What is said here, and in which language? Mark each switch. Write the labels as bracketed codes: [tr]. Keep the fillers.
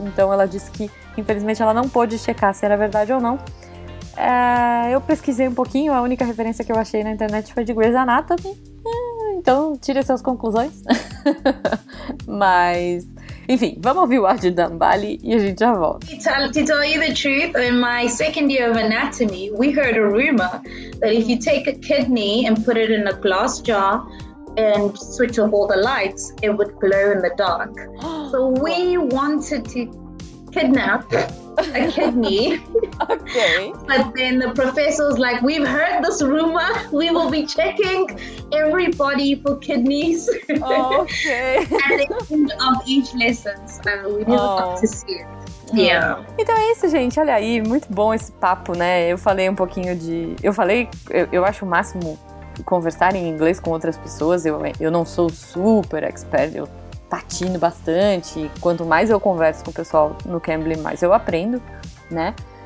[pt] Então ela disse que, infelizmente, ela não pôde checar se era verdade ou não. É, eu pesquisei um pouquinho, a única referência que eu achei na internet foi de Grey's Anatomy. Então, tire suas conclusões. mas Enfim, vamos ouvir o áudio da Ambali e a gente já volta. [en] To, tell, to tell you the truth, in my second year of anatomy, we heard a rumor that if you take a kidney and put it in a glass jar and switch off all the lights, it would glow in the dark. So we wanted to kidnapped. A kidney. okay. Mas then the professor was like, We've heard this rumor. We will be checking everybody for kidneys. Okay. At the end of each lesson. So we we'll never oh. to see it. [pt] Yeah. Então é isso, gente. Olha aí, muito bom esse papo, né? Eu falei um pouquinho de. Eu falei, eu, eu acho o máximo conversar em inglês com outras pessoas. Eu, eu não sou super expert, eu patino bastante. Quanto mais eu converso com o pessoal no Cambly, mais eu aprendo, né?